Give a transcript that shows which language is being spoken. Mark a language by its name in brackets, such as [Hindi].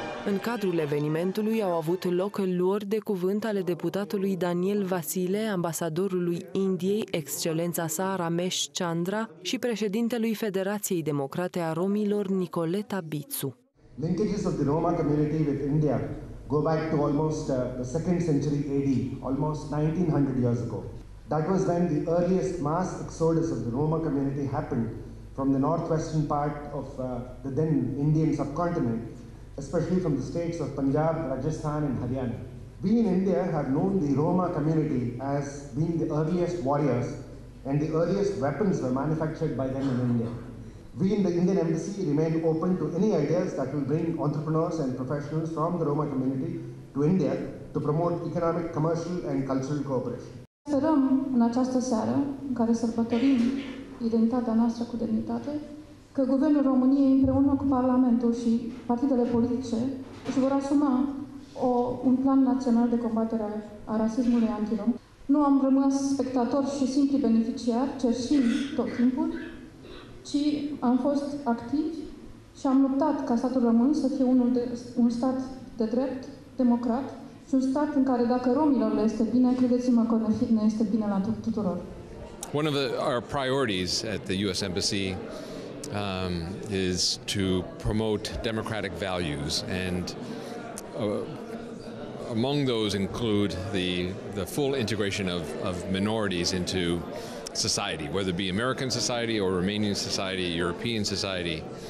[Romanian] În cadrul evenimentului au avut loc luări de cuvânt ale deputatului Daniel Vasile, ambasadorului Indiei, excelența sa Ramesh Chandra, și președintelui Federației Democrate a Romilor, Nicoleta Bițu. [English] Linkages of the Roma community with India go back to almost the second century AD, almost 1900 years ago. That was when the earliest mass exodus of the Roma community happened from the northwestern part of the then Indian subcontinent, especially from the states of Punjab, Rajasthan, and Haryana. We in India have known the Roma community as being the earliest warriors, and the earliest weapons were manufactured by them in India. We in the Indian Embassy remain open to any ideas that will bring entrepreneurs and professionals from the Roma community to India to promote economic, commercial, and cultural cooperation. [Romanian] Sperăm în această seară, în care sărbătorim identitatea noastră cu demnitate, că Guvernul României împreună cu Parlamentul și partidele politice își vor asuma un plan național de combatere a rasismului antirom. Nu am rămas spectator și simpli beneficiar, cerșind tot timpul, ci am fost activi și am luptat ca statul român să fie un stat de drept, democrat și un stat în care dacă romilor le este bine, credeți-mă că ne este bine la tuturor. [English] One of our priorities at the US Embassy is to promote democratic values, and among those include the full integration of minorities into society, whether it be American society or Romanian society, European society.